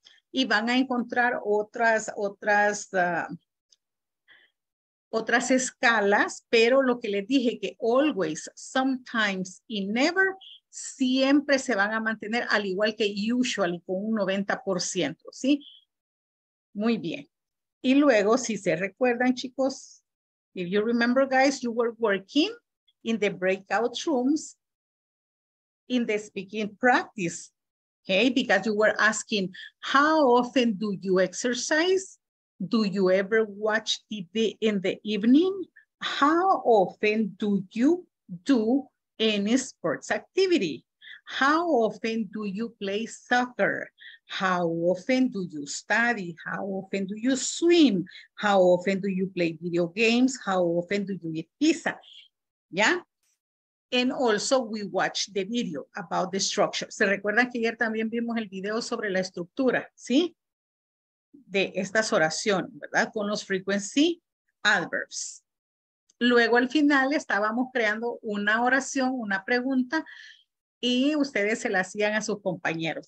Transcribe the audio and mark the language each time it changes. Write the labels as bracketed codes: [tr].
[es] Y van a encontrar otras escalas, pero lo que les dije que always, sometimes y never siempre se van a mantener al igual que usually con un 90%, ¿sí? Muy bien. Y luego, si se recuerdan, chicos, [en] if you remember, guys, you were working in the breakout rooms in the speaking practice. Okay, because you were asking, how often do you exercise? Do you ever watch TV in the evening? How often do you do any sports activity? How often do you play soccer? How often do you study? How often do you swim? How often do you play video games? How often do you eat pizza? Yeah? And also we watch the video about the structure. [es] ¿Se recuerdan que ayer también vimos el video sobre la estructura, sí? De estas oraciones, ¿verdad? Con los frequency adverbs. Luego al final estábamos creando una oración, una pregunta, y ustedes se la hacían a sus compañeros.